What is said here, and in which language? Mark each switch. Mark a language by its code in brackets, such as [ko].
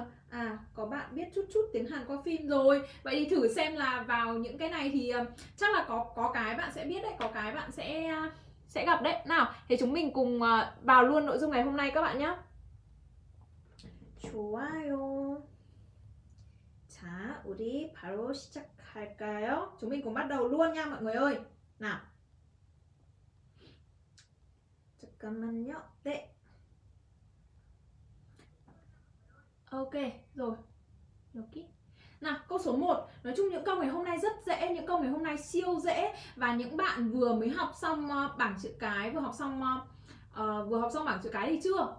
[vi] À, có bạn biết chút chút tiếng Hàn qua phim rồi. Vậy thì thử xem là vào những cái này thì chắc là có cái bạn sẽ biết đấy, có cái bạn sẽ gặp đấy. Nào, thì chúng mình cùng vào luôn nội dung ngày hôm nay các bạn nhé. [ko] 좋아요. 자, 우리 바로 시작할까요? [vi] Chúng mình cùng bắt đầu luôn nha mọi người ơi. Nào. [ko] 잠깐만요. 네. [vi] Ok, rồi. Okay. Nào, câu số 1. Nói chung những câu ngày hôm nay rất dễ, những câu ngày hôm nay siêu dễ. Và những bạn vừa mới học xong bảng chữ cái, vừa học xong bảng chữ cái thì chưa.